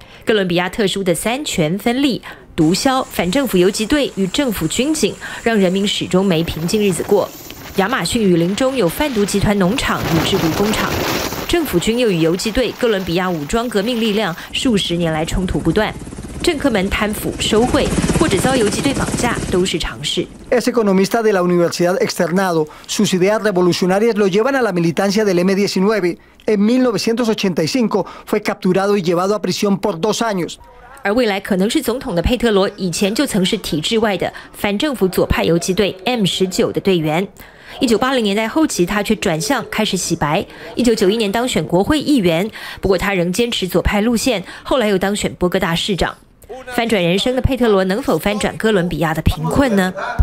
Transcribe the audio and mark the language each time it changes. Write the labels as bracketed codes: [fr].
[zh] 哥伦比亚特殊的三权分立、毒枭、反政府游击队与政府军警，让人民始终没平静日子过。亚马逊雨林中有贩毒集团农场与制毒工厂。政府军又与游击队、哥伦比亚武装革命力量数十年来冲突不断，政客们贪腐收贿或者遭游击队绑架都是常事。 [es] Es economista de la Universidad Externado. Sus ideas revolucionarias lo llevan a la militancia del M19. En 1985 fue capturado y llevado a prisión por dos años. [zh] 而未来可能是总统的佩特罗，以前就曾是体制外的反政府左派游击队 M19 的队员。 1980年代后期，他却转向开始洗白。1991年当选国会议员，不过他仍坚持左派路线。后来又当选波哥大市长。翻转人生的佩特罗能否翻转哥伦比亚的贫困呢